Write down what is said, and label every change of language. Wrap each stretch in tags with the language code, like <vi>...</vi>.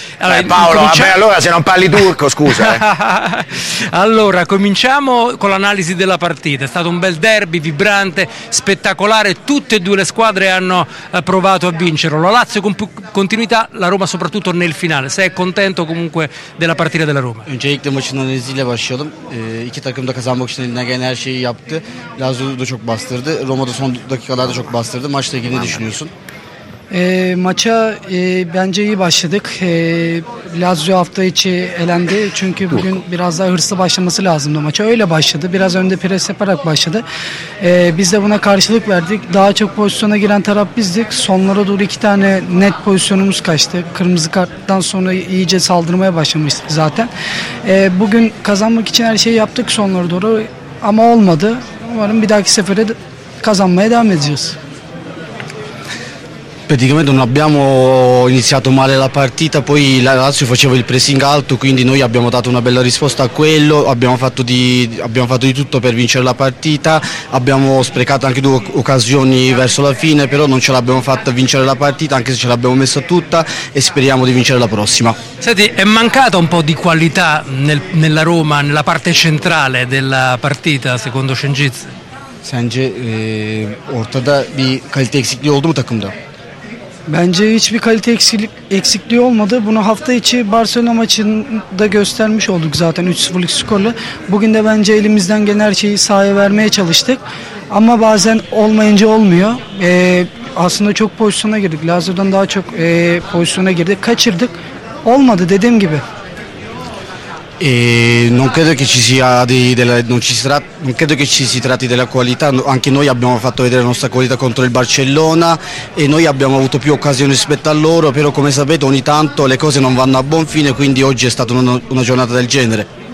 <it>Allora, Paolo, se non parli turco, scusa. Allora, cominciamo con l'analisi della partita. È stato un bel derby, vibrante, spettacolare, tutte e due le squadre hanno provato a vincerlo. La Lazio con più continuità, la Roma soprattutto nel finale. Sei contento comunque della partita della Roma?</it> <tr>Öncelikle maçından eziyle başlayalım. İki takım da kazanmak için eline gelen her şeyi yaptı. Lazio da çok bastırdı. Roma da son dakikalarda çok bastırdı. Maçla ilgili ne düşünüyorsun? Maça bence iyi başladık. Lazio hafta içi elendi. Çünkü bugün biraz daha hırslı başlaması lazımdı maça. Öyle başladı. Biraz önde pres yaparak başladı. Biz de buna karşılık verdik. Daha çok pozisyona giren taraf bizdik. Sonlara doğru iki tane net pozisyonumuz kaçtı. Kırmızı karttan sonra iyice saldırmaya başlamıştık zaten. Bugün kazanmak için her şeyi yaptık sonlara doğru. Ama olmadı. Umarım bir dahaki sefere kazanmaya devam edeceğiz.</tr> <it>Praticamente non abbiamo iniziato male la partita, poi la Lazio faceva il pressing alto, quindi noi abbiamo dato una bella risposta a quello, abbiamo fatto di tutto per vincere la partita, abbiamo sprecato anche due occasioni verso la fine, però non ce l'abbiamo fatta a vincere la partita, anche se ce l'abbiamo messa tutta, e speriamo di vincere la prossima. Senti, è mancata un po' di qualità nella Roma, nella parte centrale della partita, secondo Cengiz?</it> <tr>Sence ortada bir kalite eksikliği oldu mu takımda? Bence hiçbir kalite eksikliği olmadı. Bunu hafta içi Barcelona maçında göstermiş olduk zaten 3-0'lık skorla. Bugün de bence elimizden gelen her şeyi sahaya vermeye çalıştık. Ama bazen olmayınca olmuyor. Aslında çok pozisyona girdik. Lazio'dan daha çok pozisyona girdik. Kaçırdık. Olmadı dediğim gibi.</tr> <it>Non credo che ci sia non credo che ci si tratti della qualità, anche noi abbiamo fatto vedere la nostra qualità contro il Barcellona e noi abbiamo avuto più occasioni rispetto a loro, però come sapete ogni tanto le cose non vanno a buon fine, quindi oggi è stata una giornata del genere.</it>